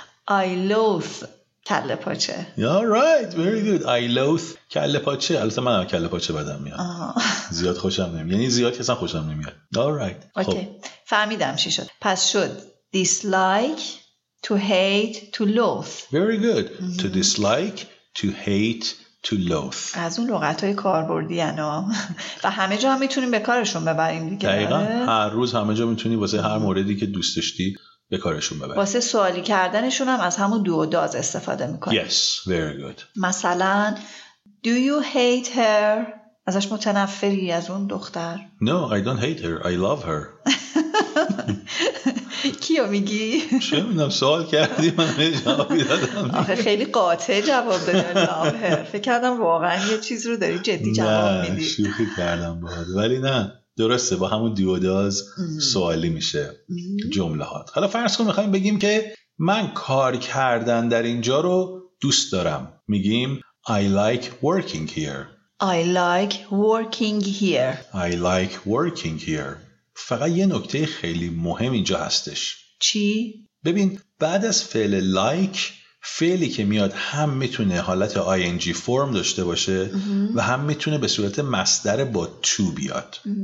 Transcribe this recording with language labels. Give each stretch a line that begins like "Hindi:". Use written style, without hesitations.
English: I loathe کله پاچه. All right, very good. I loathe
Persian: کله پاچه. البته من هم کله پاچه بدم میاد. زیاد خوشم نمیاد. یعنی زیاد کسا خوشم نمیاد.
English: All right.
Persian: اوکی. فهمیدم چی شد. پس شد
English: dislike, to hate, to loathe. Very good. To dislike, to hate, to loathe.
Persian: از اون لغت های کاربردی انا و همه جا هم میتونیم به کارشون ببریم دیگه. دقیقا هر روز همه جا میتونی واسه هر موردی که دوست داشتی به کارشون ببریم. واسه سوالی کردنشون هم از همون دو و داز استفاده میکنیم.
English: Yes, very good.
Persian: مثلا
English: Do you hate her؟
Persian: ازش متنفری از اون دختر؟
English: No, I don't hate her. I love her.
Persian: کیو میگی؟ چه میدونم سوال کردی من جوابی دادم. آخه خیلی قاطع جواب دادی. فکر کردم واقعا یه چیز رو داری جدی جواب میدی. نه شوخی کردم باهات. ولی نه درسته با همون دیوداز سوالی میشه جمله هات. حالا فرض کن میخوایم بگیم که من کار کردن در اینجا رو دوست دارم. میگیم
English: I like working here. I like working here. I like working here.
Persian: فقط یه نکته خیلی مهم اینجا هستش. چی؟ ببین بعد از فعل like فعلی که میاد هم میتونه حالت ing form داشته باشه و هم میتونه به صورت مصدر با to بیاد.